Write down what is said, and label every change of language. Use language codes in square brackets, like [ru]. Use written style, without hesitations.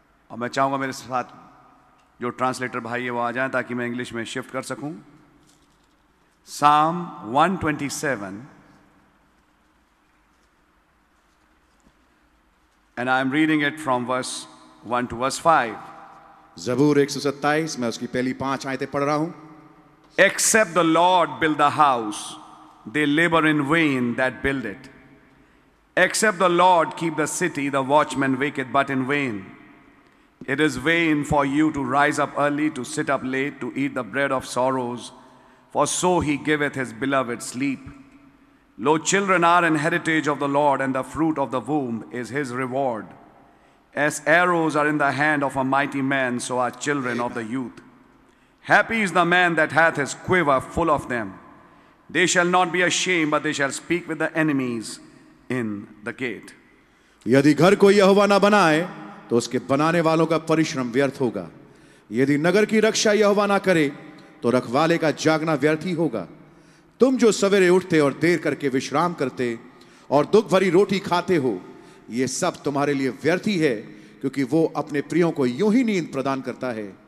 [hi] और मैं चाहूंगा मेरे साथ जो ट्रांसलेटर भाई है वो आ जाएं ताकि मैं इंग्लिश में शिफ्ट कर सकूं। [en] Psalm 127 and I am reading it from verse 1 to verse 5। [hi] जबूर 127, मैं उसकी पहली 5 आयतें पढ़ रहा हूं। [en] Except the Lord build the house, they labor in vain that build it. Except the Lord keep the city, the watchman waketh but in vain. It is vain for you to rise up early, to sit up late, to eat the bread of sorrows, for so he giveth his beloved sleep. Lo, children are an heritage of the Lord, and the fruit of the womb is his reward. As arrows are in the hand of a mighty man, so are children of the youth. Happy is the man that hath his quiver full of them. They shall not be ashamed, but they shall speak with the enemies in the gate. [hi] यदि घर को यहोवा ना बनाए तो उसके बनाने वालों का परिश्रम व्यर्थ होगा। यदि नगर की रक्षा यहोवा ना करे तो रखवाले का जागना व्यर्थ ही होगा। तुम जो सवेरे उठते और देर करके विश्राम करते और दुख भरी रोटी खाते हो, ये सब तुम्हारे लिए व्यर्थ ही है, क्योंकि वो अपने प्रियों को यूं ही नींद प्रदान करता है।